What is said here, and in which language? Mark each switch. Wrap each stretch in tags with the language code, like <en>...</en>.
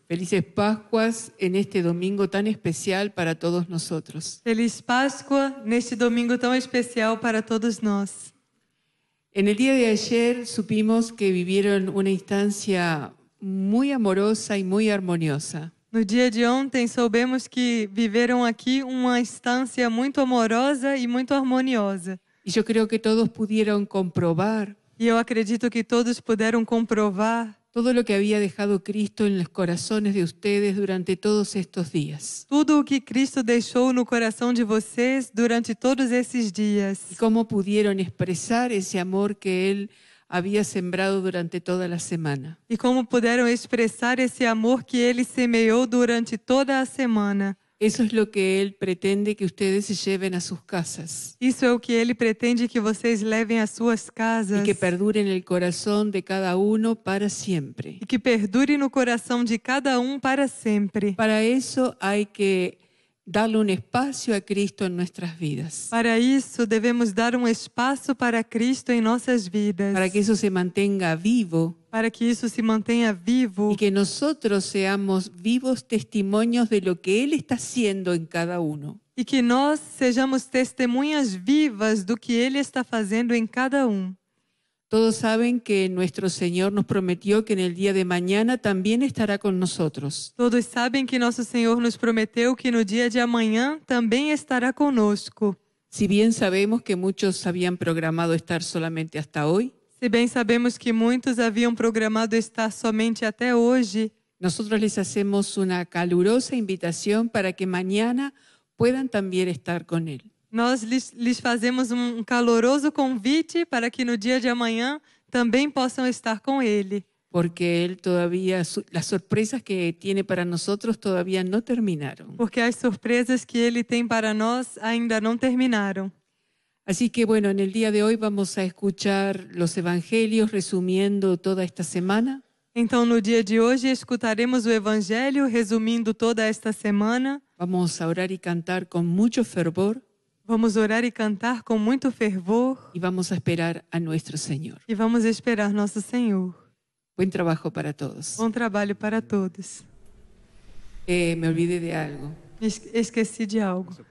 <es>Felices Pascuas en este domingo tan especial para todos nosotros.</es> <pt>Feliz Pascua neste domingo tão especial para todos nós.</pt> <es>En el día de ayer supimos que vivieron una instancia muy amorosa y muy armoniosa.</es> <pt>No dia de ontem soubemos que viveram aqui uma instância muito amorosa e muito harmoniosa.</pt> <es>Y yo creo que todos pudieron comprobar.</es> <pt>E eu acredito que todos puderam comprovar</pt> <es>todo lo que había dejado Cristo en los corazones de ustedes durante todos estos días.</es> <pt>Tudo o que Cristo deixou no coração de vocês durante todos esses dias.</pt> <es>Y cómo pudieron expresar ese amor que él había sembrado durante toda la semana.</es> <pt>E como puderam expressar esse amor que ele semeou durante toda a semana.</pt> <es>Eso es lo que él pretende que ustedes se lleven a sus casas.</es> <pt>Isso é o que ele pretende que vocês levem às suas casas.</pt> <es>Y que perdure en el corazón de cada uno para siempre.</es> <pt>E que perdure no coração de cada para sempre.</pt> <es>Para eso hay que darle un espacio a Cristo en nuestras vidas.</es> <pt>Para isso devemos dar espaço para Cristo em nossas vidas.</pt> <es>Para que eso se mantenga vivo.</es> <pt>Para que isso se mantenha vivo.</pt> <es>Y que nosotros seamos vivos testimonios de lo que Él está haciendo en cada uno.</es> <pt>E que nós sejamos testemunhas vivas do que Ele está fazendo em cada</pt> <es>Todos saben que nuestro Señor nos prometió que en el día de mañana también estará con nosotros. Todos saben que nuestro Señor nos prometió que en el día de mañana también estará</es> <pt>conosco.</pt> <es>Si bien sabemos que muchos habían programado estar solamente hasta hoy,</es> <pt>se bem sabemos que muitos haviam programado estar somente até hoje,</pt> <es>nosotros les hacemos una calurosa invitación para que mañana puedan también estar con Él.</es> <pt>Nós lhes fazemos caloroso convite para que no dia de amanhã também possam estar com Ele. Porque Ele</pt> <es>todavía,</es> <pt>as surpresas que tem para nós</pt> <es>todavía</es> <pt>não terminaram. Porque as surpresas que Ele tem para nós ainda não terminaram.</pt> <es>Así que bueno, en el día de hoy vamos a escuchar los evangelios resumiendo toda esta semana.</es> <pt>Então no dia de hoje escutaremos o evangelho resumindo toda esta semana.</pt> <es>Vamos a orar y cantar con mucho fervor.</es> <pt>Vamos orar e cantar com muito fervor.</pt> <es>Y vamos a esperar a nuestro Señor.</es> <pt>E vamos esperar nosso Senhor.</pt> <es>Buen trabajo para todos.</es> <pt>Bom trabalho para todos.</pt> <es>Me olvidé de algo.</es> <pt>Esqueci de algo.</pt>